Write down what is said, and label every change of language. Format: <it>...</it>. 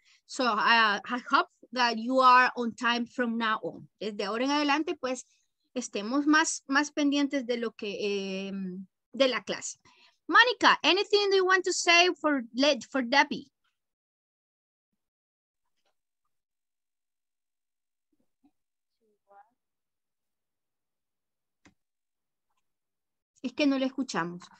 <en>So, I hope that you are on time from now on.</en> <es>Desde ahora en adelante, pues, estemos más pendientes de lo que, de la clase.</es> <en>Monica, anything you want to say for Debbie?</en> <es>Es que no le escuchamos.</es>